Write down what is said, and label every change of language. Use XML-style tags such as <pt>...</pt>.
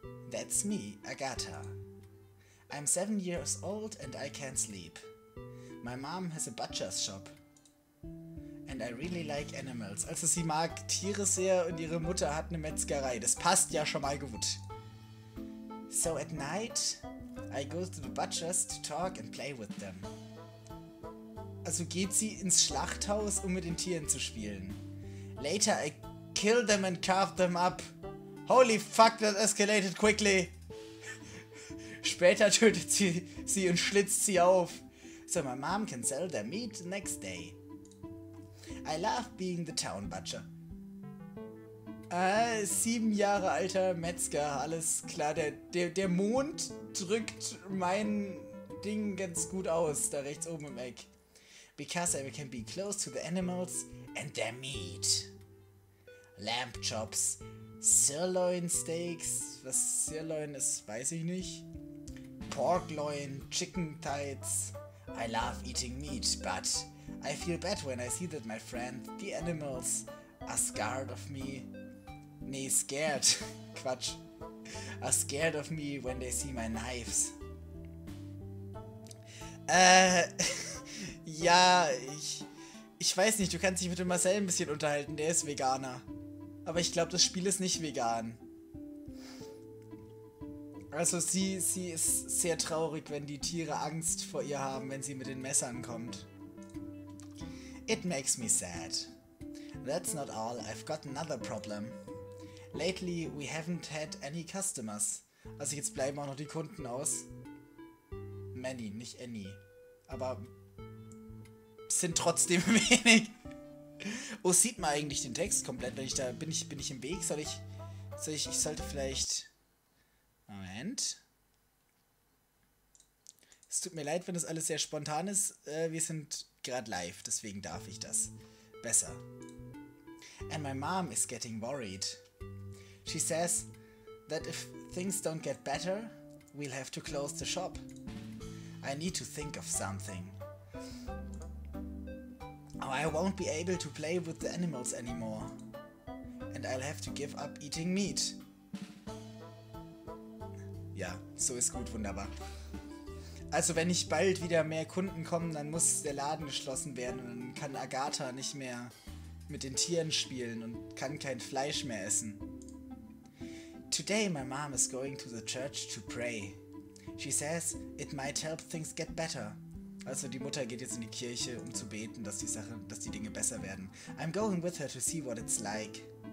<en>That's me, Agatha. I'm 7 years old and I can't sleep. My mom has a butcher's shop. And I really like animals.</en> <de>Also sie mag Tiere sehr und ihre Mutter hat eine Metzgerei. Das passt ja schon mal gut.</de> <en>So at night, I go to the butchers to talk and play with them.</en> <de>Also geht sie ins Schlachthaus, um mit den Tieren zu spielen.</de> <en>Later I kill them and carve them up. Holy fuck, that escalated quickly.</en> <de>Später tötet sie sie und schlitzt sie auf.</de> <en>So my mom can sell their meat the next day. I love being the town butcher.</en> <de>7 Jahre alter Metzger, alles klar. Der Mond drückt mein Ding ganz gut aus, da rechts oben im Eck.</de> <en>Because I can be close to the animals and their meat. Lamb chops, sirloin steaks,</en> <de>was sirloin ist, weiß ich nicht.</de> <en>Pork loin, chicken thighs. I love eating meat, but I feel bad when I see that my friend, the animals, are scared of me.</en> <de>Nee,</de> <en>scared.</en> <de>Quatsch.</de> <en>Are scared of me when they see my knives.</en> <de>ja, ich weiß nicht, du kannst dich mit dem Marcel ein bisschen unterhalten, der ist Veganer. Aber ich glaube, das Spiel ist nicht vegan. Also sie ist sehr traurig, wenn die Tiere Angst vor ihr haben, wenn sie mit den Messern kommt.</de> <en>It makes me sad. That's not all. I've got another problem. Lately, we haven't had any customers.</en> <de>Also jetzt bleiben auch noch die Kunden aus. Many, nicht any. Aber sind trotzdem wenig. Oh, sieht man eigentlich den Text komplett? Wenn ich da bin ich im Weg? Ich sollte vielleicht. Moment. Es tut mir leid, wenn das alles sehr spontan ist. Wir sind gerade live, deswegen darf ich das besser.</de> <en>And my mom is getting worried. She says that if things don't get better, we'll have to close the shop. I need to think of something. I won't be able to play with the animals anymore. And I'll have to give up eating meat.</en> <de>Ja, so ist gut, wunderbar. Also wenn nicht bald wieder mehr Kunden kommen, dann muss der Laden geschlossen werden und dann kann Agatha nicht mehr mit den Tieren spielen und kann kein Fleisch mehr essen.</de> <en>Today my mom is going to the church to pray. She says it might help things get better.</en> <de>Also die Mutter geht jetzt in die Kirche, um zu beten, dass die Dinge besser werden.</de> <en>I'm going with her to see what it's like.</en>